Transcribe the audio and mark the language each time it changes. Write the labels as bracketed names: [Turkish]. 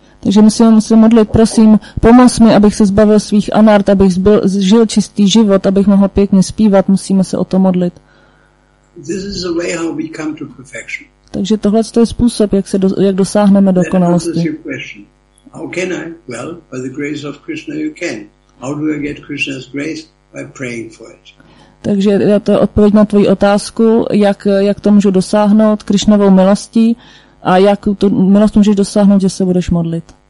[Czech] Takže musím se modlit, prosím, pomoz mi, abych se zbavil svých anart, abych žil čistý život, abych mohl pěkně zpívat, musíme se o to modlit. [English] This is the way how we come to perfection. [Czech] Takže tohle je způsob, jak dosáhneme dokonalosti. [English] How can I? Well, by the grace of Krishna you can. How do I get Krishna's grace? By praying for it. [Czech] Takže to je odpověď na tvoji otázku, jak to můžu dosáhnout Krišnovou milostí. A jak tu milost můžeš dosáhnout, že se budeš modlit.